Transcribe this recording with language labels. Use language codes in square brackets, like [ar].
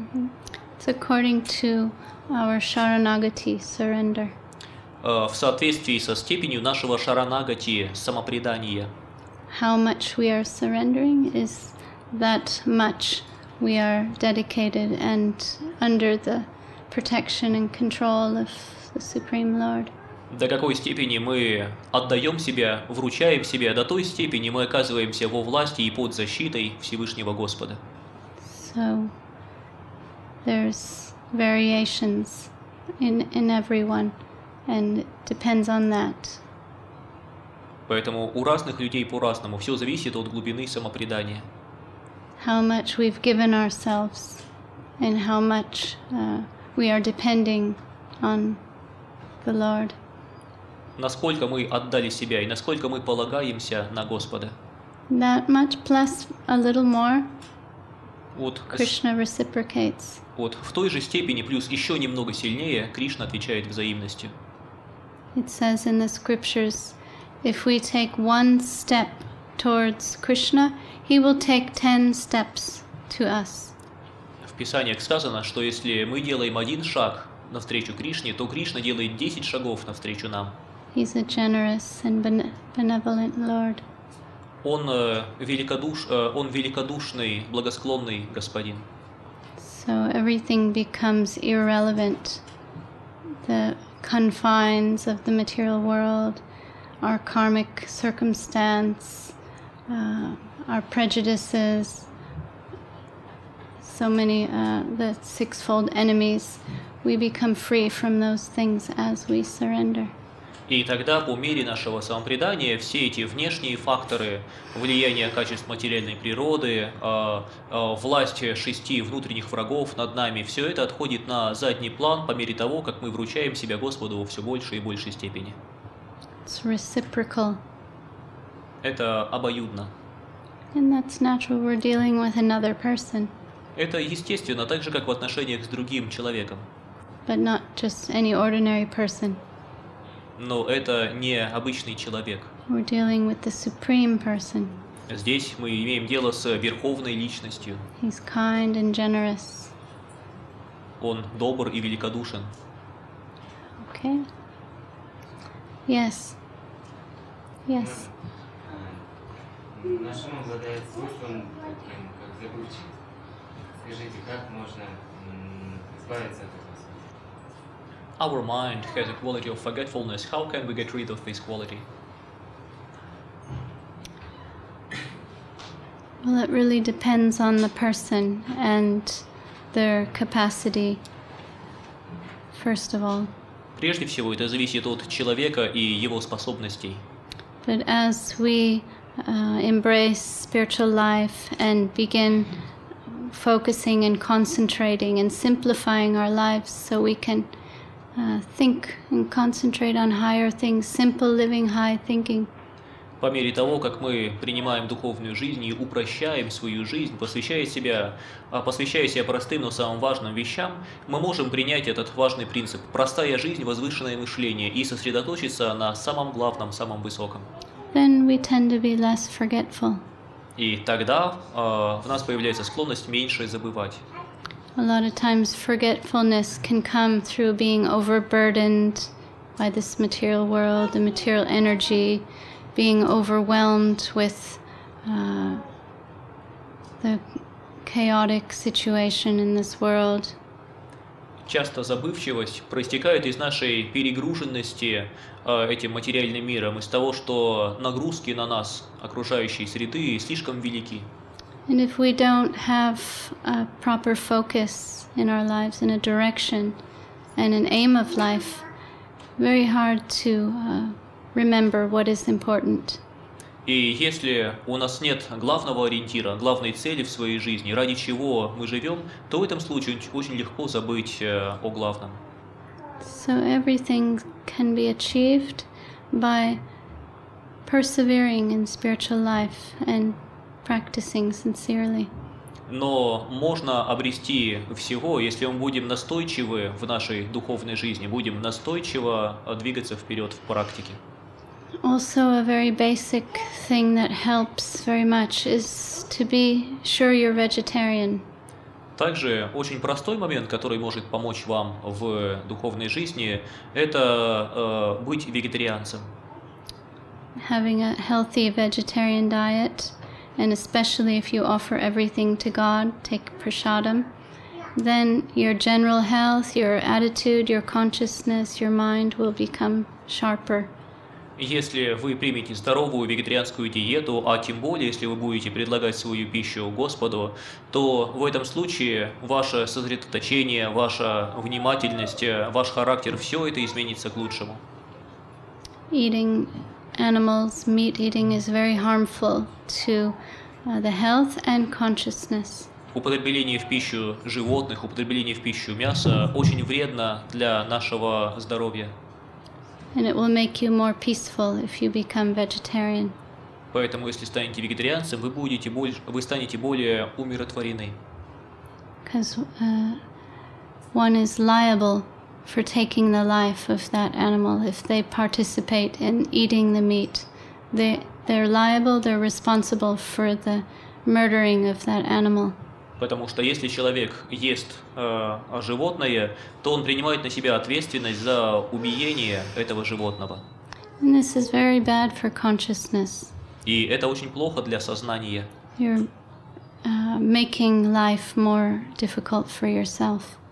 [en] Mm-hmm. It's according to our sharanagati, surrender. [ru] В соответствии со степенью нашего шаранагати, самопредания. [en] How much we are surrendering is that much we are dedicated and under the protection and control of the Supreme Lord. [ru] До какой степени мы отдаем себя, вручаем себя, до той степени мы оказываемся во власти и под защитой Всевышнего Господа. [en] So, there's variations in everyone, and it depends on that. [ru] Поэтому у разных людей по-разному, все зависит от глубины самопредания. [en] How much we've given ourselves, and how much we are depending on the Lord. [ru] Насколько мы отдали себя и насколько мы полагаемся на Господа. [en] That much plus a little more. Krishna reciprocates. [ru] Вот в той же степени плюс еще немного сильнее Кришна отвечает взаимностью. [en] It says in the scriptures, if we take one step towards Krishna, he will take 10 steps to us. [ru] В Писаниях сказано, что если мы делаем один шаг навстречу Кришне, то Кришна делает 10 шагов навстречу нам. [en] He's a generous and benevolent Lord. [ru] Он великодушный, благосклонный господин. [en] So everything becomes irrelevant. The confines of the material world, our karmic circumstance, our prejudices, so many the sixfold enemies, we become free from those things as we surrender. [ru] И тогда по мере нашего самопредания все эти внешние факторы, влияние качеств материальной природы, власть шести внутренних врагов над нами, все это отходит на задний план по мере того, как мы вручаем себя Господу во все большей и большей степени. [en] It's reciprocal. [ru] Это обоюдно. [en] And that's natural. We're dealing with another person. [ru] Это естественно, так же, как в отношениях с другим человеком. [en] But not just any ordinary person. [ru] Но это не обычный человек. [en] We're dealing with the supreme person. [ru] Здесь мы имеем дело с верховной личностью. [en] He's kind and generous. [ru] Он добр и великодушен. [en] Okay. Yes. Yes. [ru] Наш ум обладает свойством таким, как забывчивость. Скажите, как можно избавиться от этого? [en] Our mind has a quality of forgetfulness. How can we get rid of this quality? Well, it really depends on the person and their capacity, first of all. [ru] Прежде всего, это зависит от человека и его способностей. [en] But as we embrace spiritual life and begin focusing and concentrating and simplifying our lives so we can think and concentrate on higher things, simple living, high thinking. [ru] По мере того, как мы принимаем духовную жизнь и упрощаем свою жизнь, посвящая себя простым, но самым важным вещам, мы можем принять этот важный принцип – простая жизнь, возвышенное мышление – и сосредоточиться на самом главном, самом высоком. [en] Then we tend to be less forgetful. [ru] И тогда в нас появляется склонность меньше забывать. [en] A lot of times forgetfulness can come through being overburdened by this material world, the material energy, being overwhelmed with the chaotic situation in this world. [ru] Часто забывчивость проистекает из нашей перегруженности этим материальным миром, из того, что нагрузки на нас, окружающей среды, слишком велики. [en] And if we don't have a proper focus in our lives, in a direction and an aim of life, very hard to remember what is important. [ru] И если у нас нет главного ориентира, главной цели в своей жизни, ради чего мы живем, то в этом случае очень легко забыть о главном. [en] So everything can be achieved by persevering in spiritual life and practicing sincerely. [ru] Но можно обрести всего, если мы будем настойчивы в нашей духовной жизни, будем настойчиво двигаться вперед в практике. [en] Also, a very basic thing that helps very much is to be sure you're vegetarian. [ru] Также очень простой момент, который может помочь вам в духовной жизни, это быть вегетарианцем. [en] Having a healthy vegetarian diet, and especially if you offer everything to God, take prasadam, then your general health, your attitude, your consciousness, your mind will become sharper. [ru] Если вы примете здоровую вегетарианскую диету, а тем более, если вы будете предлагать свою пищу Господу, то в этом случае ваше сосредоточение, ваша внимательность, ваш характер, все это изменится к лучшему. [en] Eating animals, meat eating is very harmful to the health and consciousness. [ru] Употребление в пищу животных, употребление в пищу мяса очень вредно для нашего здоровья. [en] And it will make you more peaceful if you become vegetarian. [ru] Поэтому, если станете вегетарианцем, вы станете более умиротворены. [en] Because one is liable for taking the life of that animal if they participate in eating the meat. They're liable, they're responsible for the murdering of that animal. [ru] Потому что если человек ест животное, то он принимает на себя ответственность за убиение этого животного. [en] And this is very bad for consciousness. [ru] И это очень плохо для сознания. [en] You're making life more difficult for yourself.